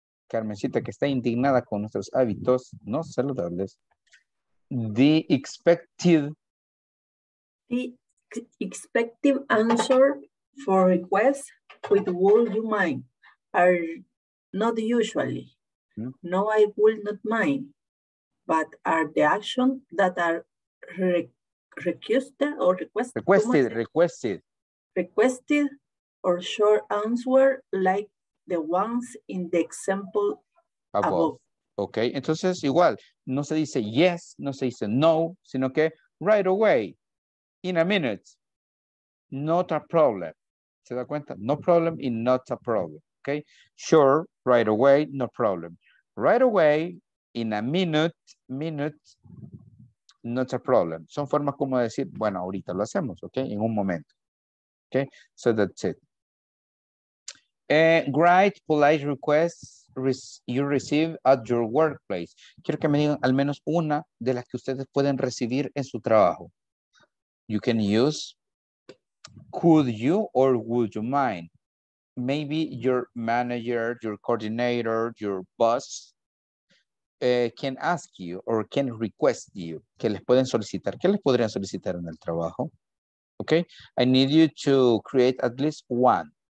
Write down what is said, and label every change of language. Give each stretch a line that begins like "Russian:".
Spanish: Carmencita, que está indignada con nuestros hábitos no saludables.
English: The expected. The expected answer for requests with would you mind are not usually. No, I would not mind, but are the actions that are requested or short answer like the ones in the example above.
Spanish: Okay, entonces igual, no se dice yes, no se dice no, sino que
English: right away, in a minute, not a problem.
Spanish: ¿Se da cuenta?
English: No problem y not a problem. Okay, sure, right away, no problem. Right away, in a minute, not a problem.
Spanish: Son formas como decir, bueno, ahorita lo hacemos, okay, en un momento.
English: Okay, so that's it. Great, polite requests you receive at your workplace.
Spanish: Quiero que me digan al menos una de las que ustedes pueden recibir en su trabajo.
English: You can use could you or would you mind? Maybe your manager, your coordinator, your boss can ask you or can request you.
Spanish: ¿Qué les pueden solicitar? ¿Qué les podrían solicitar en el trabajo?
English: Okay, I need you to create at least one.